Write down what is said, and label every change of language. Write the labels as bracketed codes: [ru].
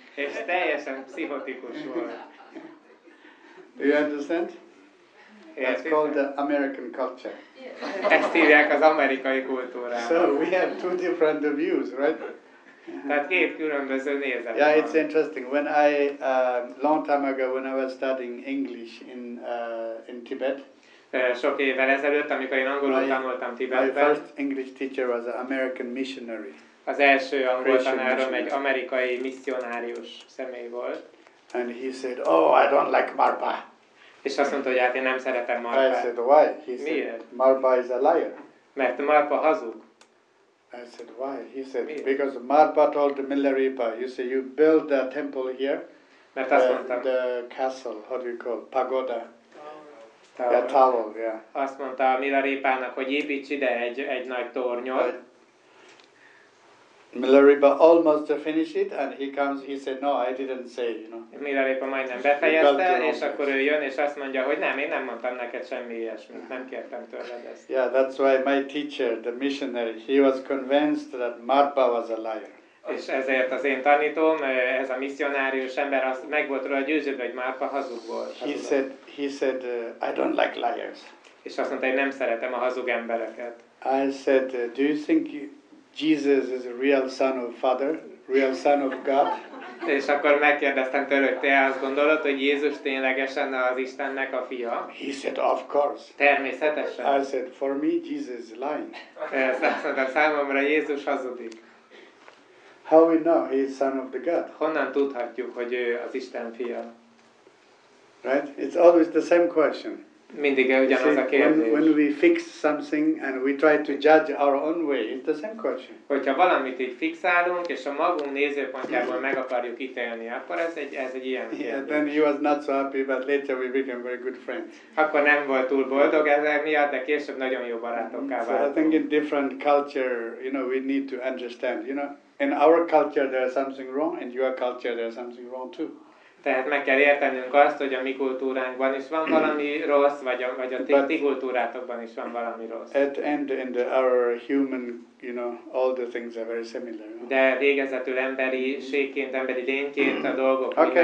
[hu] És teljesen pszichotikus volt. [en] Do you understand? That's called the American culture. [hu] Ezt hívják az amerikai kultúrának. [en] So we have two different views, right? [hu] Tehát két különböző nézet. [en] Yeah, it's interesting. When I long time ago when I was studying English in Tibet. [hu] Sok évvel ezelőtt, amikor én angolul tanultam Tibetben. [en] My first English teacher was an American missionary. [hu] Az első angol tanárom egy amerikai misszionárius személy volt. [en] And he said, "Oh, I don't like Marpa." [hu] És azt mondta, hogy hát én nem szeretem Marpa. [en] I said, "Why?" [hu] Miért? [en] Marpa is a liar. [hu] Mert Marpa hazug. [en] I said, why? He said, because Marpa told the Milarepa, you say, you build a temple here, the castle, how do you call it? Pagoda. Tower. Yeah, tower, yeah. [hu] Azt mondta a Milarepának, hogy építs ide egy nagy tornyot. [en] Milarepa almost finished it, and he comes, he said, no, I didn't say, you know. [hu] Milarepa majdnem befejezte, és akkor ő jön, és azt mondja, hogy nem, én nem mondtam neked semmi ilyesmit, nem kértem tőled ezt. [en] Yeah, that's why my teacher, the missionary, he was convinced that Marpa was a liar. [hu] És ezért az én tanítom, ez a misszionárius ember, azt meg volt róla győződve, hogy Marpa hazug volt. [en] He said, I don't like liars. [hu] És azt mondta, hogy nem szeretem a hazug embereket. [en] I said, do you think Jesus is a real son of Father, real son of God? [hu] És akkor megkérdeztem tőle, hogy te azt gondolod, hogy Jézus ténylegesen az Istennek a fia? [en] He said, of course. [hu] Természetesen. [en] I said, for me, Jesus is lying. [hu] De számomra Jézus hazudik. [en] How we know he is son of the God? [hu] Honnan tudhatjuk, hogy ő az Isten fia? [en] Right? It's always the same question. [hu] Mindig ugyanaz a kérdés. [en] When we fix something and we try to judge our own way, it's the same question. [hu] Hogyha valamit így fixálunk, és a magunk nézőpontjából meg akarjuk ítélni, akkor ez egy ilyen kérdés. [en] Yeah, then he was not so happy, but later we became very good friends. [hu] Akkor nem volt túl boldog ezzel miatt, de később nagyon jó barátokká váltunk. [en] So I think in different culture, you know, we need to understand, you know. In our culture there is something wrong, and your culture there is something wrong too. [hu] Tehát meg kell értenünk azt, hogy a mi kultúránkban is van valami rossz, vagy a ti kultúrátokban is van valami rossz. [en] At end in the our human, you know, all the things are very similar. [hu] De végezetül emberiségként, emberi lényként a dolgok okay.